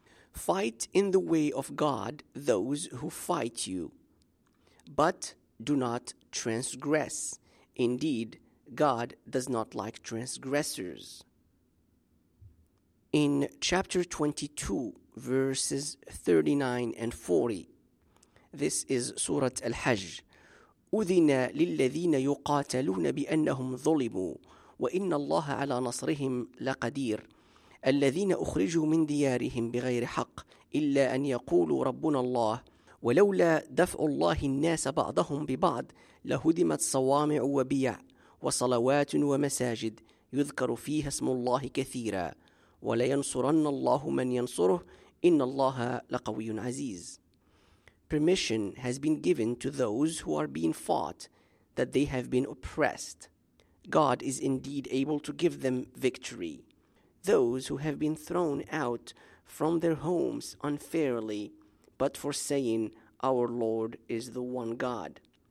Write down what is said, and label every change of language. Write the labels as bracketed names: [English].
[English] Fight in the way of God those who fight you, but do not transgress. Indeed, God does not like transgressors. In chapter 22, verses 39 and 40, this is Surah Al-Hajj. [Arabic] أُذِنَ لِلَّذِينَ يُقَاتَلُونَ بِأَنَّهُمْ ظُلِمُوا وَإِنَّ اللَّهَ عَلَى نَصْرِهِمْ لَقَدِيرٌ الذين أخرجوا من ديارهم بغير حق إلا أن يقولوا ربنا الله ولولا دفع الله الناس بعضهم ببعض لهدمت صوامع وبيع وصلوات ومساجد يذكر فيها اسم الله كثيرا ولينصرن الله من ينصره إن الله لقوي عزيز. [English] Permission has been given to those who are being fought that they have been oppressed. God is indeed able to give them victory. Those who have been thrown out from their homes unfairly, but for saying, "Our Lord is the one God."